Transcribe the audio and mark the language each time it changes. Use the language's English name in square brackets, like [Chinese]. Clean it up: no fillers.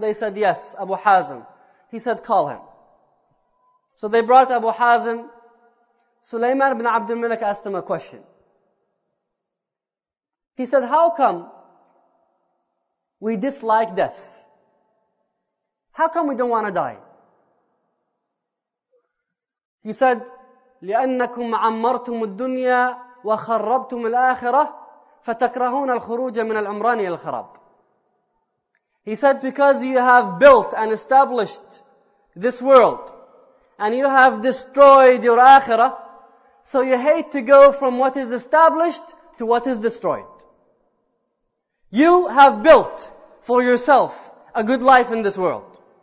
[English] They said, yes, Abu Hazm. He said, call him. So they brought Abu Hazm. Sulaiman ibn Abd al-Malik asked him a question. He said, how come we dislike death? How come we don't want to die? He said, [Arabic] لأنكم عمرتم الدنيا وخربتم الآخرة فتكرهون الخروج من العمران إلى الخراب. [English] He said, because you have built and established this world and you have destroyed your akhirah, so you hate to go from what is established to what is destroyed. You have built for yourself a good life in this world.